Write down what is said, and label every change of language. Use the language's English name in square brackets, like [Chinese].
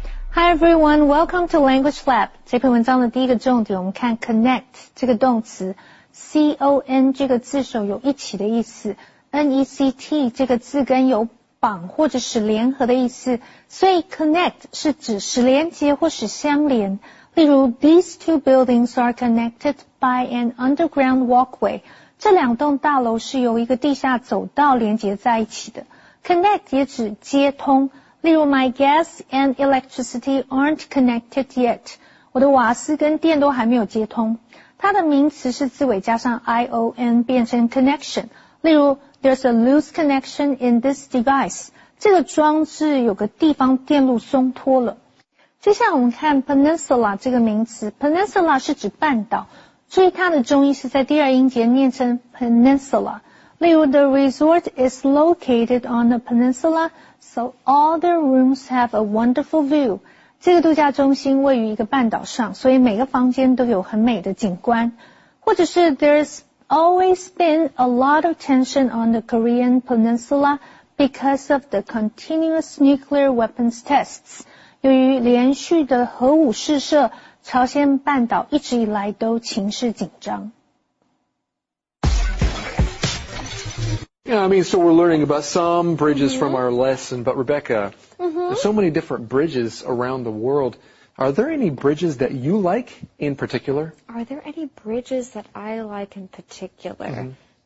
[English] Hi everyone, welcome to Language Lab. [Chinese] 这篇文章的第一个重点，我们看 connect 这个动词 ，con 这个字首有一起的意思 ，net 这个字根有绑或者使联合的意思，所以 connect 是指使连接或使相连。 [English] 例如 ，these two buildings are connected by an underground walkway。 [Chinese] 这两栋大楼是由一个地下走道连接在一起的。 connect 也指接通。 [English] 例如 ，my gas and electricity aren't connected yet。 [Chinese] 我的瓦斯跟电都还没有接通。它的名词是字尾加上 ion 变成 connection。 [English] 例如 ，there's a loose connection in this device。 [Chinese] 这个装置有个地方电路松脱了。接下来我们看 peninsula 这个名词 ，peninsula 是指半岛。注意它的中音是在第二音节念成 peninsula。 [English] 例如 ，the resort is located on a peninsula。 So all the rooms have a wonderful view. [Chinese] 这个度假中心位于一个半岛上，所以每个房间都有很美的景观。 [English] 或者是 there's always been a lot of tension on the Korean Peninsula because of the continuous nuclear weapons tests. [Chinese] 由于连续的核武试射，朝鲜半岛一直以来都情势紧张。 [English] Yeah, I mean, so we're learning about some bridges from our lesson, but Rebecca, there's so many different bridges around the world. Are there any bridges that you like in particular? Are there any bridges that I like in particular?